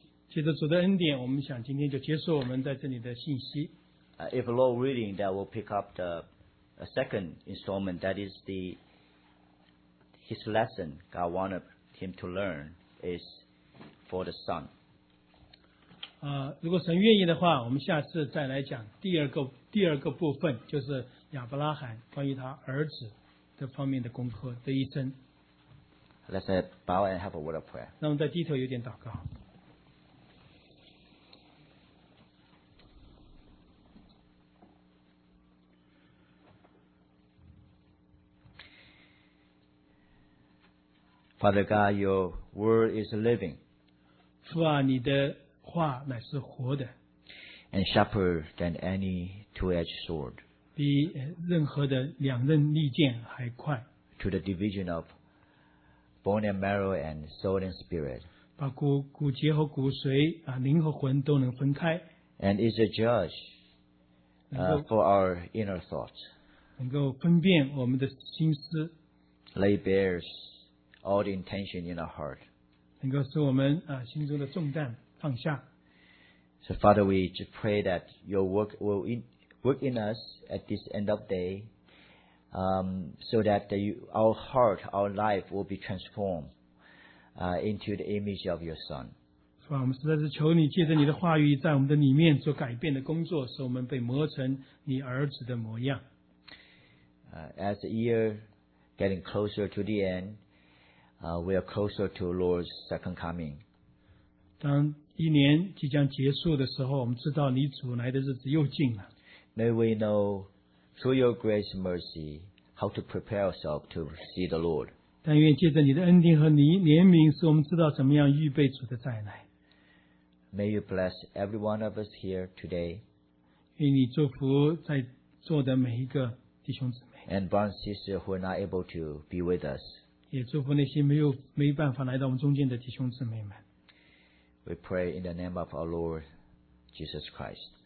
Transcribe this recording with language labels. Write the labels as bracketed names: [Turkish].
[Chinese] 借着主的恩典，我们想今天就结束我们在这里的信息。 [English] If Lord willing, that will pick up the second installment, that is the his lesson God wanted him to learn is for the son. [Chinese] 如果神愿意的话，我们下次再来讲第二个部分，就是亚伯拉罕关于他儿子这方面的功课的一生。 [English] Let's bow and have a word of prayer. [Chinese] 那我们再低头有点祷告。 [English] Father God, your word is living. [Chinese] 父啊，你的话乃是活的。 [English] And sharper than any two-edged sword. [Chinese] 比任何的两刃利剑还快。 [English] To the division of bone and marrow and soul and spirit. [Chinese] 把骨节和骨髓灵和魂都能分开。 [English] And is a judge for our inner thoughts. [Chinese] 能够分辨我们的心思。 [English] Lay bears. All the intention in our heart. [Chinese] 能够使我们心中的重担放下。 [English] So Father, we just pray that your work will work in us at this end of day, so that our heart, our life will be transformed into the image of your Son. [Chinese] 主啊，我们实在是求你借着你的话语，在我们的里面做改变的工作，使我们被磨成你儿子的模样。 [English] As the year getting closer to the end, we are closer to Lord's second coming. [Chinese] 当一年即将结束的时候，我们知道你主来的日子又近了。 [English] May we know through your grace and mercy how to prepare ourselves to see the Lord. [Chinese] 但愿借着你的恩典和怜悯，使我们知道怎么样预备主的再来。 [English] May you bless every one of us here today. [Chinese] 愿你祝福在座的每一个弟兄姊妹。 [English] And brothers and sisters who are not able to be with us. [Chinese] 也祝福那些没办法来到我们中间的弟兄姊妹们。 [English] We pray in the name of our Lord Jesus Christ.